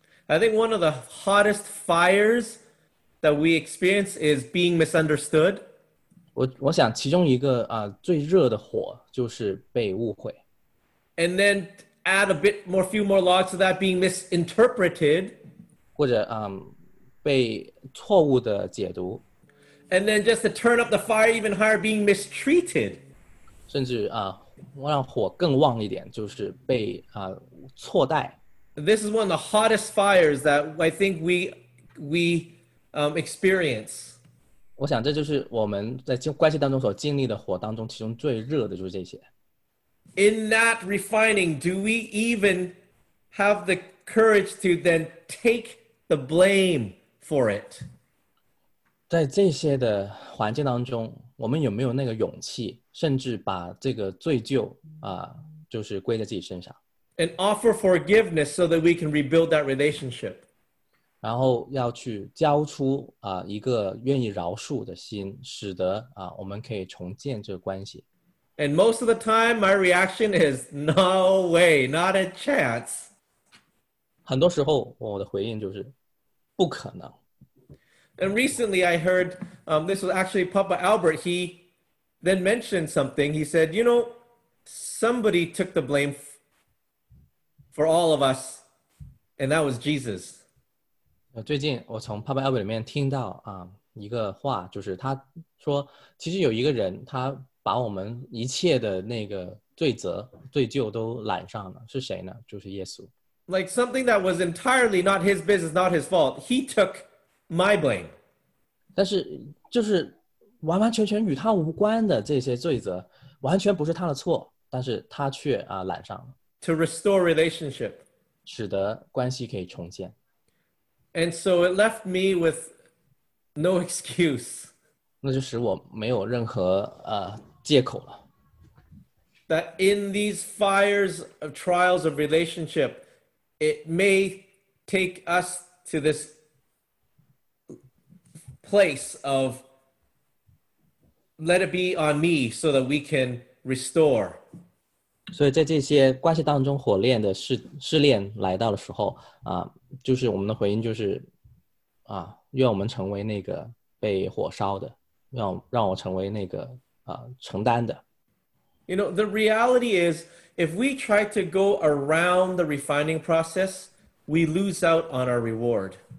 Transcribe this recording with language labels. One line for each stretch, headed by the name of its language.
English: I think one of the hottest fires that we experience is being misunderstood.
Chinese: 我想其中一个最热的火就是被误会。
English: And then,add a bit more, few more logs to that being misinterpreted.
Chinese: 或者被错误的解读。
English: And then just to turn up the fire even higher, being mistreated.
Chinese: 甚至让火更旺一点，就是被错待。
English: This is one of the hottest fires that I think we experience.
Chinese: 我想这就是我们在关系当中所经历的火当中，其中最热的就是这些。
English: In that refining, do we even have the courage to then take the blame for it?
Chinese: 在这些的环境当中，我们有没有那个勇气，甚至把这个罪疚就是归在自己身上？
English: And offer forgiveness so that we can rebuild that relationship.
Chinese: 然后要去交出一个愿意饶恕的心，使得我们可以重建这个关系。
English: And most of the time, my reaction is, no way, not a chance.
Chinese: 很多时候我的回应就是不可能。
English: And recently I heard, this was actually Papa Albert, he then mentioned something. He said, you know, somebody took the blame for all of us, and that was Jesus.
Chinese: 最近我从 Papa Albert 里面听到一个话，就是他说，其实有一个人他把我们一切的那个罪责、罪疚都揽上了，是谁呢？就是耶稣。
English: Like something that was entirely not his business, not his fault. He took my blame.
Chinese: 但是就是完完全全与他无关的这些罪责，完全不是他的错，但是他却揽上了。
English: To restore relationship.
Chinese: 使得关系可以重建。
English: And so it left me with no excuse.
Chinese: 那就使我没有任何借口了。
English: That in these fires of trials of relationship, it may take us to this place of let it be on me so that we can restore.
Chinese: 所以在这些关系当中火炼的试炼来到的时候，就是我们的回应就是，愿我们成为那个被火烧的，让我成为那个承担的。
English: You know, the reality is, if we try to go around the refining process, we lose out on our reward.